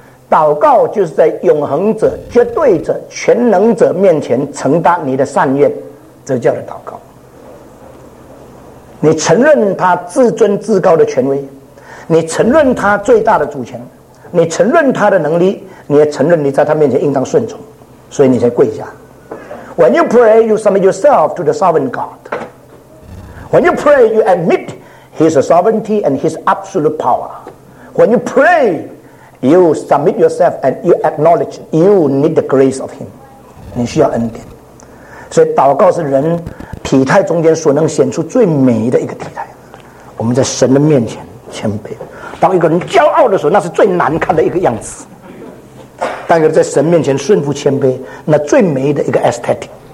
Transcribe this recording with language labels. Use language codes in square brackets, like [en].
[zh] 祷告就是在永恒者、绝对者、全能者面前承担你的善愿，这叫做祷告。你承认他至尊至高的权威，你承认他最大的主权，你承认他的能力，你也承认你在他面前应当顺从，所以你才跪下。 [en] When you pray, you submit yourself to the sovereign God. When you pray, you admit his sovereignty and his absolute power. When you pray,You submit yourself and you acknowledge you need the grace of him. [zh] 你需要恩典。所以祷告是人体态中间所能显出最美的一个体态。我们在神的面前谦卑。当一个人骄傲的时候，那是最难看的一个样子。当一个人在神面前顺服谦卑，那最美的一个 aesthetic。